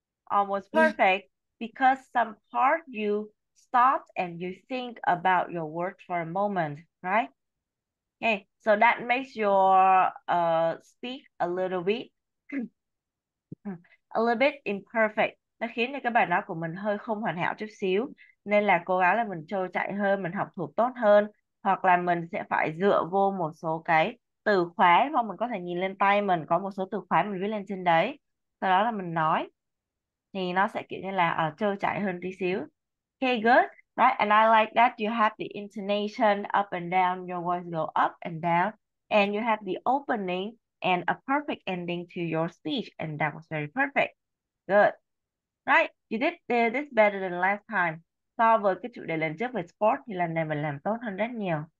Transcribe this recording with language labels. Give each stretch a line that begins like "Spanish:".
English: Almost perfect because some part you stopped and you think about your words for a moment, right? Okay, so that makes your speak a little bit imperfect.
Vietnamese: Nó khiến cho cái bài nói của mình hơi không hoàn hảo chút xíu. Nên là cố gắng là mình trôi chảy hơn, mình học thuộc tốt hơn. Hoặc là mình sẽ phải dựa vô một số cái từ khóa, hoặc mình có thể nhìn lên tay mình có một số từ khóa mình viết lên trên đấy, sau đó là mình nói thì nó sẽ kiểu như là trôi chảy hơn tí xíu.
English: Okay, good, right? And I like that you have the intonation up and down, your voice go up and down, and you have the opening and a perfect ending to your speech, and that was very perfect. Good. Right? You did this better than last time.
Vietnamese: So với cái chủ đề lần trước về sport thì lần này mình làm tốt hơn rất nhiều.